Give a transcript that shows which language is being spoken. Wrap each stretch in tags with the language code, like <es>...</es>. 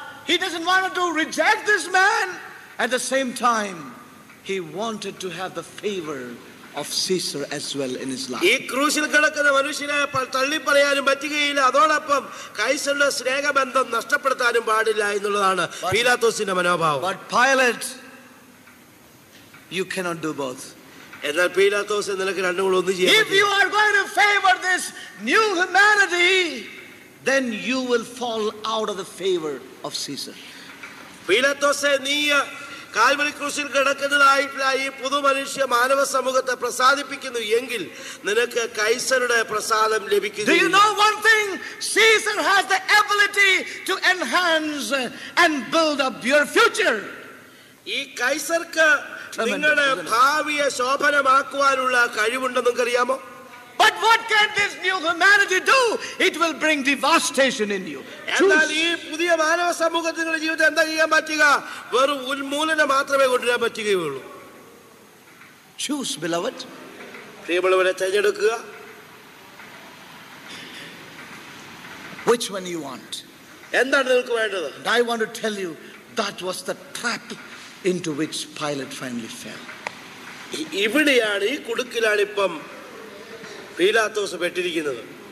<en>He doesn't want to reject this man. At the same time, he wanted to have the favor of Caesar as well in his life.</en> <ml>ഈ ക്രൂശിൽ കിടക്കുന്ന മനുഷ്യനെ തള്ളി പറയാനും പറ്റുകയില്ല, അതോടൊപ്പം കൈസറുടെ സ്നേഹബന്ധം നഷ്ടപ്പെടുത്താനും പാടില്ല എന്നുള്ളതാണ് പീലാത്തോസിന്റെ മനോഭാവം.</ml> <en>But Pilate, you cannot do both.</en> <ml>എന്നാൽ പീലാത്തോസ് നിനക്ക് രണ്ടുകളും ഒന്നും ചെയ്യാൻ.</ml> <en>If you are going to favor this new humanity, then you will fall out of the favor of Caesar.</en> <ml>പീലാത്തോസ് നീ കാൽവരി ക്രൂശിൽ കിടക്കുന്നതായിട്ടുള്ള ഈ പുതുമനുഷ്യ മാനവ സമൂഹത്തെ പ്രസാദിപ്പിക്കുന്നു എങ്കിൽ നിനക്ക് കൈസറുടെ പ്രസാദം ലഭിക്കുന്നു.</ml> <en>Do you know one thing? Caesar has the ability to enhance and build up your future.</en> <ml>ഈ കൈസർക്ക് നിങ്ങളുടെ ഭാവിയെ ശോഭനമാക്കുവാനുള്ള കഴിവുണ്ട് നിങ്ങൾക്ക് അറിയാമോ?</ml> <en>But what can this new humanity do? It will bring devastation in you.</en> <ml>എന്നാൽ ഈ പുതിയ മാനവ സമൂഹത്തിൽ നിങ്ങളുടെ ജീവിതത്തെ എന്താ ചെയ്യാൻ പറ്റുക? വെറും ഉന്മൂലനം മാത്രമേ കൊണ്ടുവരാൻ പറ്റുകയുള്ളൂ.</ml> <en>Choose, beloved.</en> <ml>പ്രിയമുള്ളവരെ തിരഞ്ഞെടുക്കുക.</ml> <en>Which one you want?</en> <ml>എന്താണ് നിങ്ങൾക്ക് വേണ്ടത്?</ml> <en>And I want to tell you, that was the trap into which Pilate finally fell.</en> <ml>ഇവിടെയാണ് ഈ കുടുക്കിലാണ് ഇപ്പം പീലാത്തോസ് പെട്ടിരിക്കുന്നത്.</ml>